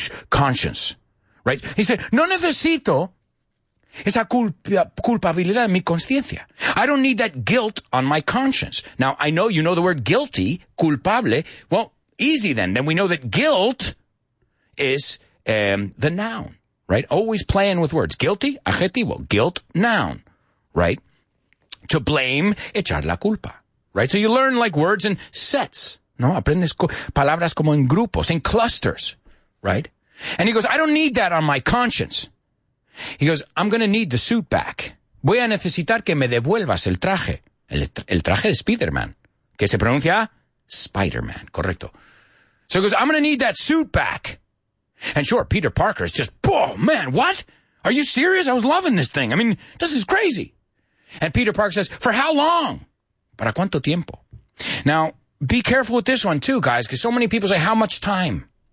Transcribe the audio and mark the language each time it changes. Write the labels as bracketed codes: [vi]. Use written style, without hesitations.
[en] Conscience. Right? He said, [es] no necesito esa culpabilidad en mi conciencia. [en] I don't need that guilt on my conscience. Now, I know you know the word guilty, culpable. Well, easy then. Then we know that guilt is the noun, right? Always playing with words. Guilty, adjetivo, guilt, noun. Right? To blame, [es] echar la culpa. [en] Right? So you learn like words in sets. No? [es] Aprendes palabras como en grupos, en clusters. Right? And he goes, I don't need that on my conscience. He goes, I'm going to need the suit back. Voy a necesitar que me devuelvas el traje. El traje de Spider-Man. Que se pronuncia Spider-Man. Correcto. [en] So he goes, I'm going to need that suit back. And sure, Peter Parker is just, oh man, what? Are you serious? I was loving this thing. I mean, this is crazy. And Peter Parker says, for how long? [es] ¿Para cuánto tiempo? [en] Now, be careful with this one too, guys, because so many people say, how much time?